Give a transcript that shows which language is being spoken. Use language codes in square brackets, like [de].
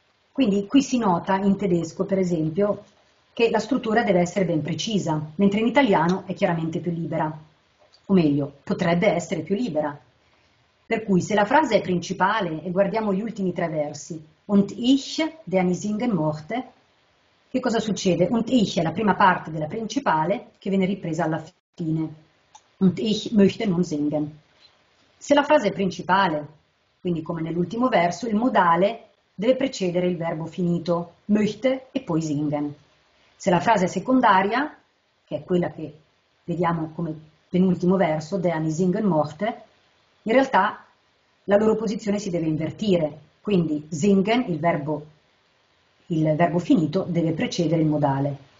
[it] Quindi qui si nota in tedesco, per esempio, che la struttura deve essere ben precisa, mentre in italiano è chiaramente più libera. O meglio, potrebbe essere più libera. Per cui, se la frase è principale e guardiamo gli ultimi tre versi, [de] und ich, der mi singen mochte, [it] che cosa succede? [de] Und ich [it] è la prima parte della principale che viene ripresa alla fine. [de] Und ich möchte nun singen. [it] Se la frase è principale, quindi come nell'ultimo verso, il modale deve precedere il verbo finito, möchte, e poi singen. Se la frase è secondaria, che è quella che vediamo come penultimo verso, [de] der mi singen mochte, [it] in realtà la loro posizione si deve invertire, quindi singen, il verbo finito, deve precedere il modale.